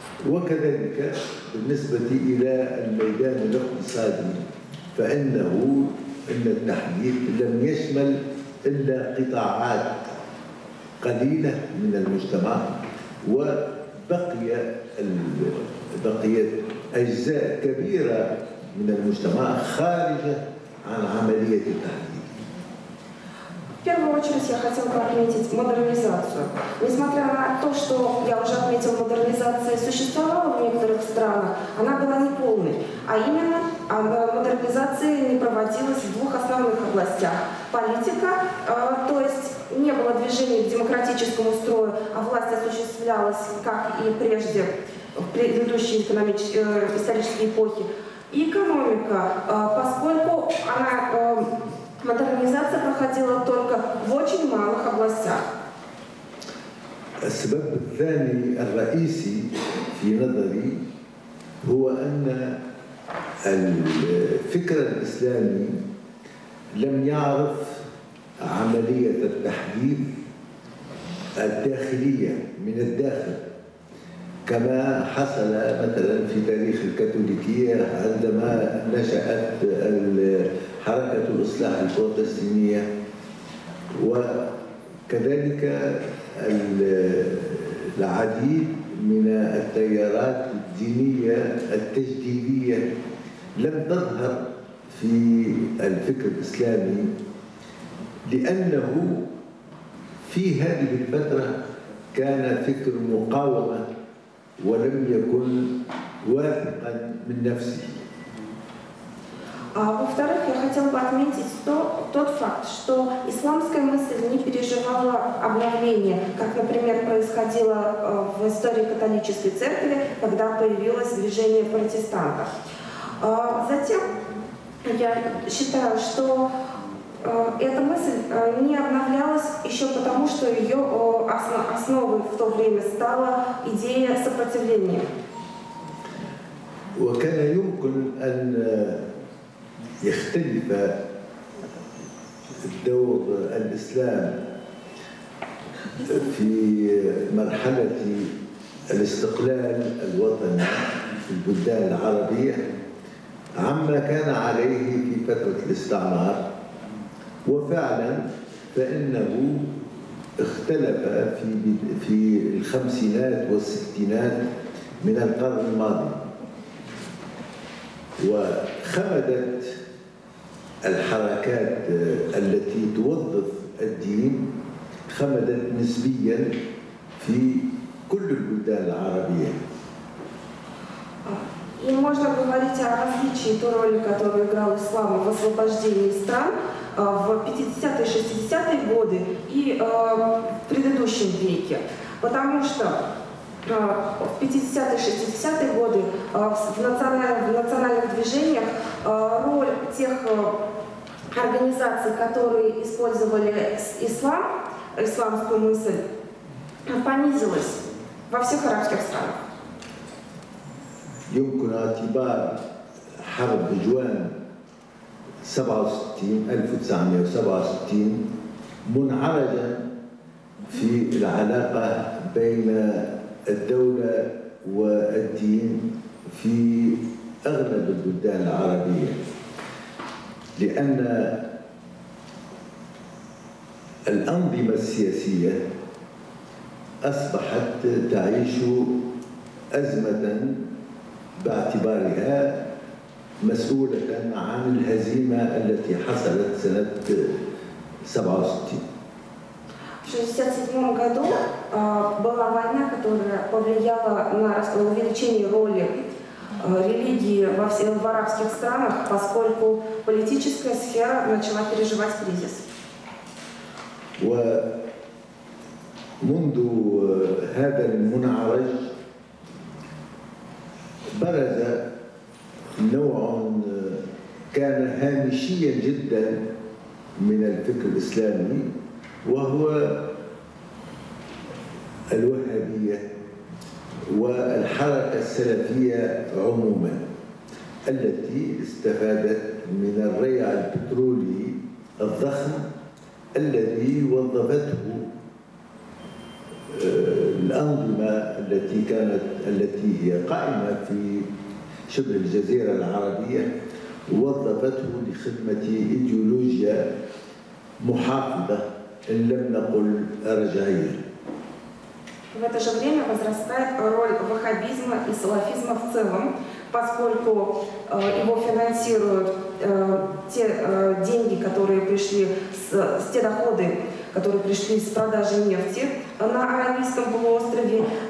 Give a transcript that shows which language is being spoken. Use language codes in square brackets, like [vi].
[ar] وكذلك بالنسبة إلى الميدان الاقتصادي فإنه إن التحديد لم يشمل إلا قطاعات قليلة من المجتمع وبقي بقيت أجزاء كبيرة من المجتمع خارجة عن عملية التحديد. [ru] В первую очередь я хотела бы отметить модернизацию. Несмотря на то, что я уже отметила, модернизация существовала в некоторых странах, она была неполной. А именно, модернизация не проводилась в двух основных областях. Политика, то есть не было движения к демократическому строю, а власть осуществлялась, как и прежде, в предыдущие исторические эпохи. И экономика, поскольку она... Модернизация проходила только в очень малых областях. [ar] السبب الثاني الرئيسي في نظري هو أن الفكر الإسلامي لم يعرف عملية التحديد الداخلية من الداخل كما حصل مثلا في تاريخ الكاثوليكية عندما نشأت حركة الإصلاح البروتستانية وكذلك العديد من التيارات الدينية التجديدية لم تظهر في الفكر الإسلامي لأنه في هذه الفترة كان فكر مقاومة ولم يكن واثقا من نفسه. [ru] А во-вторых, я хотела бы отметить тот факт, что исламская мысль не переживала обновление, как, например, происходило в истории католической церкви, когда появилось движение протестантов. Затем я считаю, что эта мысль не обновлялась еще потому, что ее основой в то время стала идея сопротивления. [ar] وكان يمكن أن يختلف دور الإسلام في مرحلة الاستقلال الوطني في البلدان العربية عما كان عليه في فترة الاستعمار وفعلا فإنه اختلف في الخمسينات والستينات من القرن الماضي وخمدت الحركات التي توظف الدين خمدت نسبيا في كل البلدان العربية. [ru] И можно говорить о различии той роли, которую играл ислам в освобождении стран в 50-60-е годы и в предыдущем веке, потому что в 50-60-е годы в национальных движениях роль тех организаций, которые использовали ислам, исламскую мысль, понизилась во всех арабских странах. [ar] يمكن اعتبار حرب جوان 1967 منعرجا في العلاقة بين الدولة والدين في أغلب البلدان العربية لأن الأنظمة السياسية أصبحت تعيش أزمة باعتبارها مسؤولة عن الهزيمة التي حصلت سنة 67. [ru] В 1967 году была война, которая повлияла на увеличение роли религии в арабских странах, поскольку политическая сфера начала переживать кризис. [ar] منذ هذا المنعرج برز نوع كان هامشيا جدا من الفكر الإسلامي وهو الوهابية والحركة السلفية عموما التي استفادت من الريع البترولي الضخم الذي وظفته الأنظمة التي هي قائمة في شبه الجزيرة العربية وظفته لخدمة إيديولوجيا محافظة إن لم نقل أرجعية. [ru] В это же время возрастает роль ваххабизма и салафизма в целом, поскольку его финансируют те деньги, которые пришли, те доходы, которые пришли с продажи нефти на Аравийском полуострове.